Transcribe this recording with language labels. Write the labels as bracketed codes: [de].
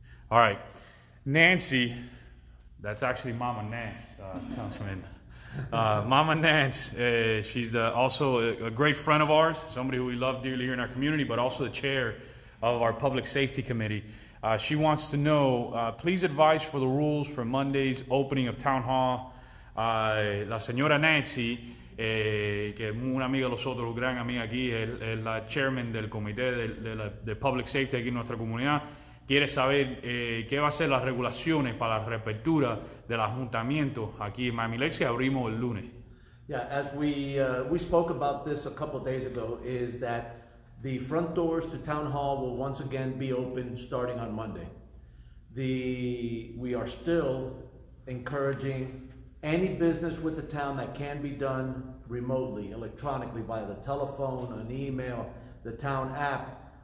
[en] All right, Nancy, that's actually Mama Nance, Councilman. Mama Nance, she's also a great friend of ours, somebody who we love dearly here in our community, but also the chair of our Public Safety Committee. She wants to know, please advise for the rules for Monday's opening of Town Hall. [es] La señora Nancy, que es una amiga de nosotros, un gran amiga aquí, es la chairman del comité de Public Safety aquí en nuestra comunidad, quiere saber qué va a ser las regulaciones para la reapertura del ayuntamiento aquí en Miami Lakes, que abrimos el lunes. [en] Yeah, as we spoke about this a couple of days ago, is that the front doors to Town Hall will once again be open starting on Monday. We are still encouraging any business with the town that can be done remotely, electronically, by the telephone, an email, the town app.